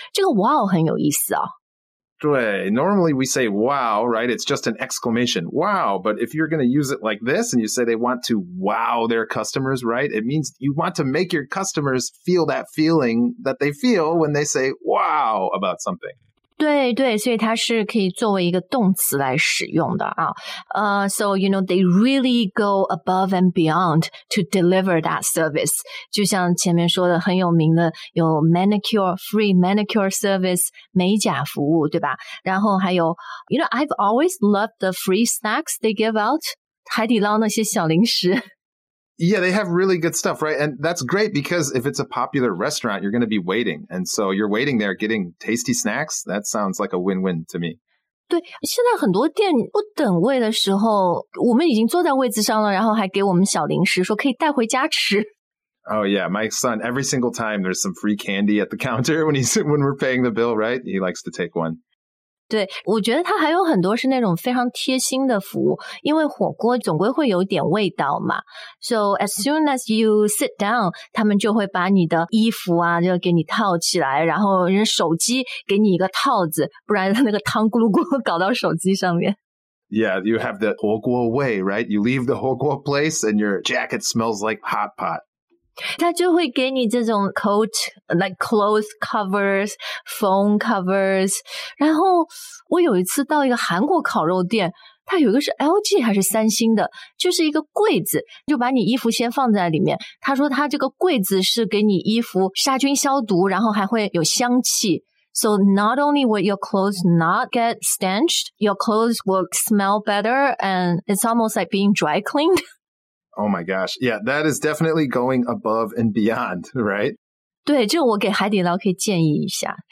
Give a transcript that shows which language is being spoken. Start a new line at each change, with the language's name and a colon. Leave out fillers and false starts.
Chinese: 这个 wow 很有意思哦。对
English: ，normally we say wow, right? It's just an exclamation, wow. But if you're going to use it like this and you say they want to wow their customers, right? It means you want to make your customers feel that feeling that they feel when they say wow about something.
Chinese: 对对，所以它是可以作为一个动词来使用的啊。
English: So you know they really go above and beyond to deliver that service.
Chinese: 就像前面说的很有名的，有
English: manicure free manicure service
Chinese: 美甲服务，对吧？然后还有
English: ，you know I've always loved the free snacks they give out.
Chinese: 海底捞那些小零食。
English: Yeah, they have really good stuff, right? And that's great because if it's a popular restaurant, you're going to be waiting. And so you're waiting there getting tasty snacks. That sounds like a win-win to me.
Chinese: 对，现在很多店不等位的时候，我们已经坐在位子上了，然后还给我们小零食，说可以带回家吃。
English: Oh yeah, my son, every single time there's some free candy at the counter when we're paying the bill, right? He likes to take one.
Chinese: 对，我觉得他还有很多是那种非常贴心的服务，因为火锅总归会有点味道嘛。
English: So as soon as you sit down,
Chinese: 他们就会把你的衣服啊就给你套起来，然后人手机给你一个套子，不然那个汤咕噜咕噜搞到手机上面。
English: Yeah, you have the 火锅 way, right? You leave the 火锅 place and your jacket smells like hot pot.
Chinese: 他就会给你这种
English: coat, like clothes covers, phone covers.
Chinese: 然后我有一次到一个韩国烤肉店，它有一个是 LG 还是三星的，就是一个柜子，就把你衣服先放在里面。他说他这个柜子是给你衣服杀菌消毒，然后还会有香气。
English: So not only will your clothes not get stenched, your clothes will smell better and it's almost like being dry cleaned. Oh my gosh. Yeah, that is definitely going above and beyond, right?
Chinese: 对，就我给海底捞可以建议一下。